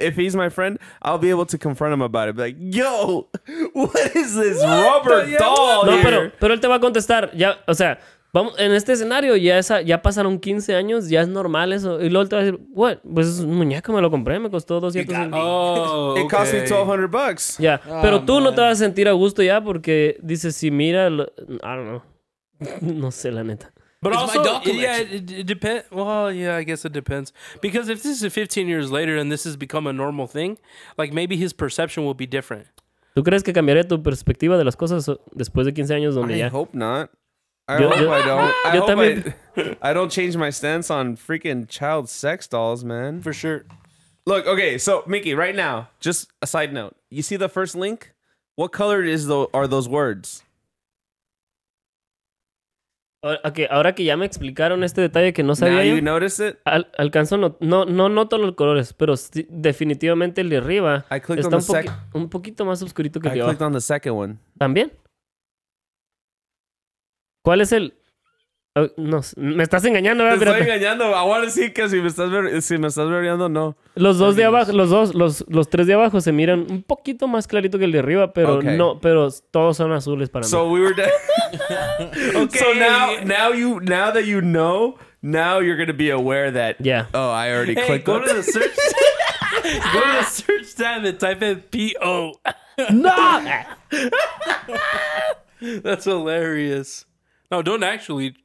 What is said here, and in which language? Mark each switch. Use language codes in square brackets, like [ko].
[en] If he's my friend, I'll be able to confront him about it. Be like, yo, what is this rubber doll here? [es] No, pero él te va a contestar. Ya, o sea, vamos, en este escenario, ya pasaron 15 años, ya es normal eso. Y luego él te va a decir, what? Pues es un muñeco, me lo compré, me costó 200. [en] Oh, okay. It cost me $1,200. [es] Ya, yeah. Pero tú no te vas a sentir a gusto ya porque dices, si mira, [en] I don't know. [es] No sé, la neta. [en] But it's also, it depends. Well, yeah, I guess it depends. Because if this is 15 years later and this has become a normal thing, like maybe his perception will be different. [es] ¿Tú crees que cambiaría tu perspectiva de las cosas después de 15 años donde [en] I [es] ya? [en] I hope not. I hope I don't change my stance on freaking child sex dolls, man. For sure. Look, okay, so Mickey, right now, just a side note. You see the first link? What color are those words? [es] Okay, ahora que ya me explicaron este detalle que no sabía. [en] Now you notice it? [es] Alcanzo no noto los colores, pero definitivamente el de arriba está un poquito más oscurito que el de abajo. [en] I clicked on the second one. [es] ¿También? ¿Cuál es el...? No, me estás engañando, ¿verdad? Te estoy engañando. Ahora sí que si me estás verbiando, no. Los dos de abajo, los tres de abajo se miran un poquito más clarito que el de arriba, pero no, pero todos son azules para mí. Okay. [en] So now that you know, now you're going to be aware that... Yeah. Oh, I already clicked on. Go to the search... Go to the search tab and type in P-O. No! That's hilarious. No, don't actually.